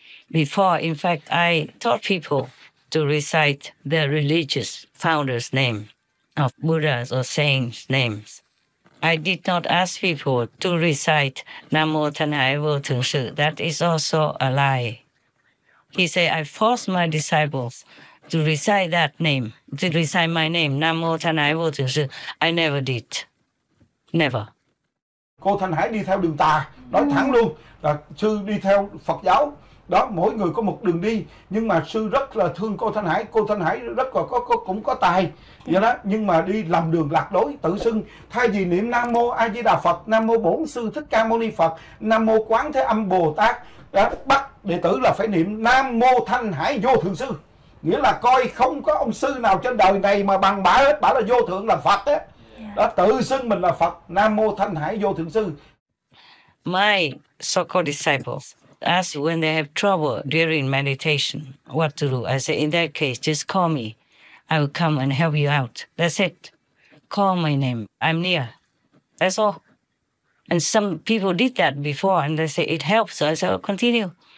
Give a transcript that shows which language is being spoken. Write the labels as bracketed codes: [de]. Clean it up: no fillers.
[en] Before, in fact, I taught people to recite their religious founder's name of Buddha's or saints' names. I did not ask people to recite Namo Thanhai Vô Thường Sự. That is also a lie. He said, I forced my disciples to recite that name, to recite my name, Namo Thanhai Vô Thường Sự. I never did. Never. [vi] Cô Thanhai đi theo đường tà, nói thẳng luôn, là sư đi theo Phật giáo. Đó, mỗi người có một đường đi, nhưng mà sư rất là thương cô Thanh Hải rất là có cũng có tài. Vậy đó, nhưng mà đi lầm đường lạc lối, tự xưng thay vì niệm Nam Mô A Di Đà Phật, Nam Mô Bổn Sư Thích Ca Mâu Ni Phật, Nam Mô Quán Thế Âm Bồ Tát, đó, bắt đệ tử là phải niệm Nam Mô Thanh Hải Vô Thượng Sư. Nghĩa là coi không có ông sư nào trên đời này mà bằng bả hết, bả là vô thượng là Phật á. Đó, tự xưng mình là Phật, Nam Mô Thanh Hải Vô Thượng Sư. [en] My so-called disciples ask when they have trouble during meditation, what to do. I say, in that case, just call me. I will come and help you out. That's it. Call my name. I'm near. That's all. And some people did that before, and they say, it helps. So I say, oh, continue.